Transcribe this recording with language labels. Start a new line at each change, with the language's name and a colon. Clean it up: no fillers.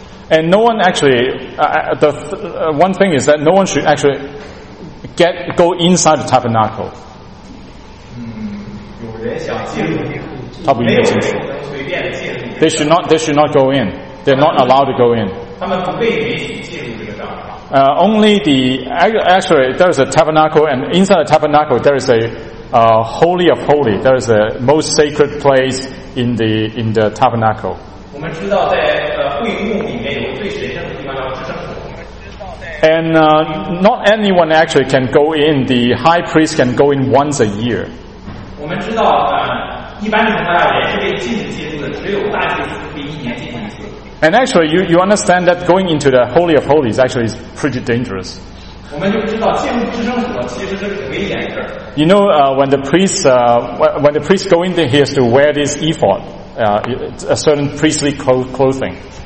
English: And no one actually, one thing is that no one should actually go inside the tabernacle.
Chinese: 有人想进入，他不愿意进去。
English: They should not go in. They're not allowed to go in.
Chinese: 他们不被允许进入这个帐篷。
English: Only the actually there is a tabernacle, and inside the tabernacle there is a holy of holy. There is a most sacred place in the tabernacle.
Chinese: 我们知道在会幕里面有最神圣的地方叫至圣所。
English: And not anyone actually can go in. The high priest can go in once a year.
Chinese: 我们知道一般情况下人是被禁止进入的，只有大祭司可以一年进一次。
English: And actually, you understand that going into the Holy of Holies actually is pretty dangerous. You know, when the priest go in there, he has to wear this ephod, a certain priestly clothing.